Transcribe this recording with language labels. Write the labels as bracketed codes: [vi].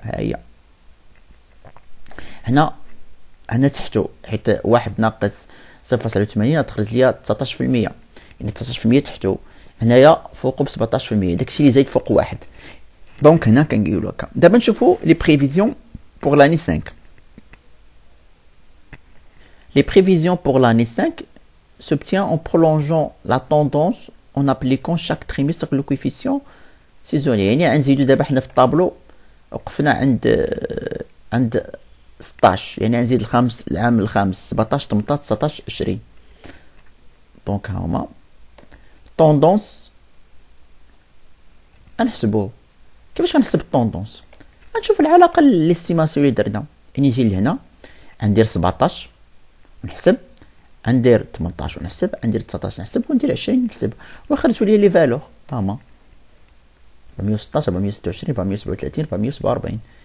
[ar] ها هي هنا تحتو، حيت واحد ناقص 0.80 تخرج لي 19%، يعني 19% تحتو، هنايا فوقه ب 17%، داكشي اللي زايد فوق واحد. دونك هنا كنقول لك دابا نشوفو [fr] لي بريفيزيون بور لاني [ar] 5. [fr] Les prévisions pour l'année 5 s'obtiennent en prolongeant la tendance en appliquant chaque trimestre le coefficient saisonnier. [ar] يعني نزيدو دابا حنا في الطابلو وقفنا عند 16، يعني نزيد الخامس العام الخامس 17 18 19 20. دونك ها هما توندونس، نحسبو كيفاش غنحسب التوندونس؟ نشوف العلاقة الاستيماسيون اللي درنا، يعني نجي لهنا ندير 17 نحسب، ندير 18 ونحسب، ندير 19 نحسب، وندير 20 نحسب، وخرجوا لي لي فالور هما 416 426 437 447.